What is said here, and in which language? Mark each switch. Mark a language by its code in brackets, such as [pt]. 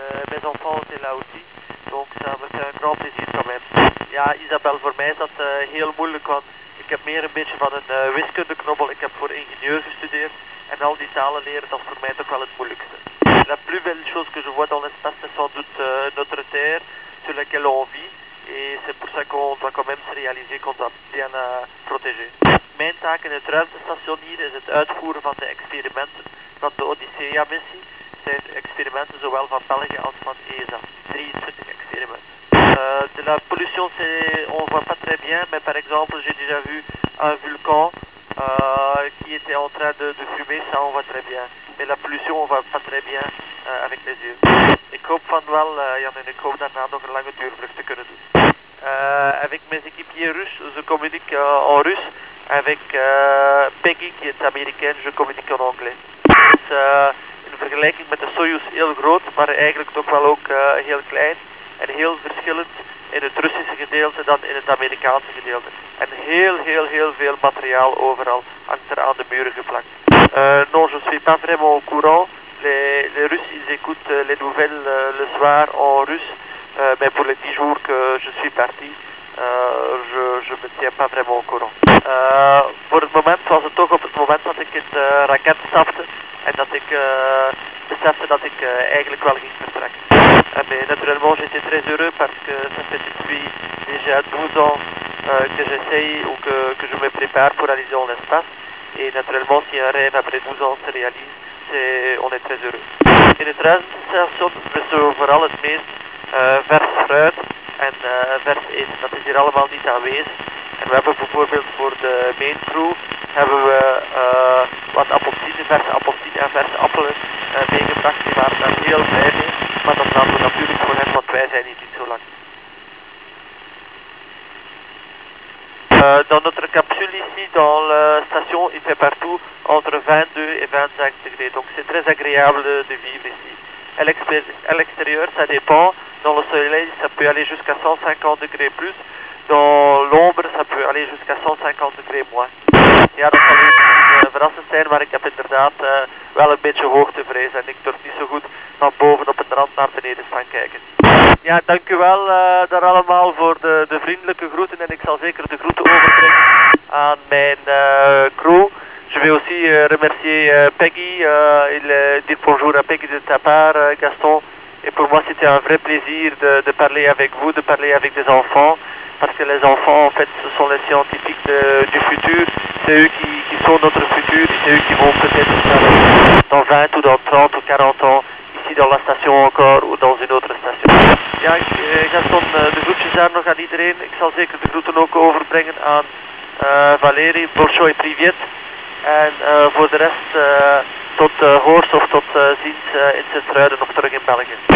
[fr] mes enfants étaient là aussi. Donc ça me fait un grand plaisir quand même. [nl] Ja, Isabelle, voor mij is dat heel moeilijk, want ik heb meer een beetje van een wiskundeknobbel. Ik heb voor ingenieur gestudeerd en al die talen leren, dat is voor mij toch wel het moeilijkste. [fr] La plus belle chose que je vois dans l'espace, c'est sans doute notre terre sur laquelle on vit. Et c'est pour ça qu'on doit quand même se réaliser qu'on doit bien protéger. [nl] Mijn taak in het ruimtestation hier is het uitvoeren van de experimenten van de Odyssea-missie. Het zijn experimenten zowel van België als van ESA. 23 experimenten. [fr] De la pollution, c'est, on ne voit pas très bien, mais par exemple, j'ai déjà vu un volcan qui était en train de fumer, ça on voit très bien. Mais la pollution, on ne voit pas très bien avec les yeux. [nl] Ik hoop van wel, Jan, en ik hoop daarna nog een lange duurvlucht te kunnen doen. [fr] Avec mes équipiers russes, je communique en russe. Avec Peggy, qui est américaine, je communique en anglais. [nl] Dus in vergelijking met de Soyuz heel groot, maar eigenlijk toch wel ook heel klein. En heel verschillend in het Russische gedeelte dan in het Amerikaanse gedeelte. En heel, heel, heel veel materiaal overal hangt er aan de muren geplakt. [fr] Non, je suis pas vraiment au courant. Les Russes, ils écoutent les nouvelles le soir en russe. Mais pour les 10 jours que je suis parti, je me tiens pas vraiment au courant. [nl] Voor het moment was het ook op het moment dat ik in de raket stapte. En dat ik besefte dat ik eigenlijk wel ging vertrekken. [fr] Mais naturellement, j'étais très heureux parce que ça fait depuis déjà 12 ans que j'essaye ou que je me prépare pour aller dans l'espace. Et naturellement, si un rêve après 12 ans se réalise, on est très heureux. [nl] In het ruimtestation bestaan we vooral het meest vers fruit en vers eten. Dat is hier allemaal niet aanwezig. En we hebben bijvoorbeeld voor de main crew hebben we wat appelsine, verse appelsine en verse appelen meegebracht. Die waren daar heel blij mee. Maar dat laten we natuurlijk voor hen, want wij zijn hier niet zo lang. [fr] Dans notre capsule ici, dans la station, il fait partout entre 22 et 25 degrés. Donc c'est très agréable de vivre ici. À l'extérieur, ça dépend. Dans le soleil, ça peut aller jusqu'à 150 degrés plus. Dans l'ombre, ça peut aller jusqu'à 150 degrés moins. [nl] Ja, dat zal niet verrassend zijn, maar ik heb inderdaad wel een beetje hoogtevrees en ik durf niet zo goed van boven op het rand naar beneden staan kijken. Ja, dank u wel daar allemaal voor de vriendelijke groeten en ik zal zeker de groeten overbrengen aan mijn crew. [fr] Je vais aussi remercier Peggy, il dit bonjour à Peggy de ta part, Gaston. Et pour moi, c'était un vrai plaisir de parler avec vous, de parler avec des enfants. Parce que les enfants, en fait, ce sont les scientifiques du futur. C'est eux qui sont notre futur. C'est eux qui vont peut-être faire dans 20 ou dans 30 ou 40 ans, ici dans la station encore ou dans une autre station. [nl] Ja, Gaston, de groetjes daar nog aan iedereen. Ik zal zeker de groeten ook overbrengen aan Valérie, [ru] Bolshoi, Privet. [nl] En voor de rest, tot hoors of tot ziens in Sint-Truiden of terug in België.